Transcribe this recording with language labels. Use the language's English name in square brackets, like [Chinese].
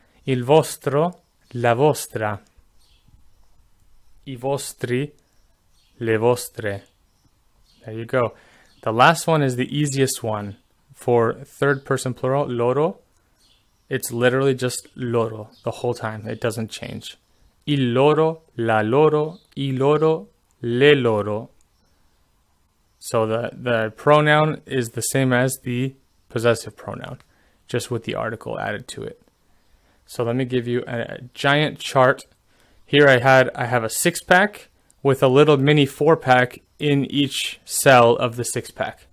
[Italian] Il vostro, la vostra. I vostri, le vostre. [English] There you go. The last one is the easiest one for third person plural, loro. It's literally just loro the whole time. It doesn't change. [Italian] Il loro, la loro, I loro, le loro. [English] So the pronoun is the same as the possessive pronoun, just with the article added to it. So let me give you a giant chart. Here I have a six pack with a little mini four pack in each cell of the six pack.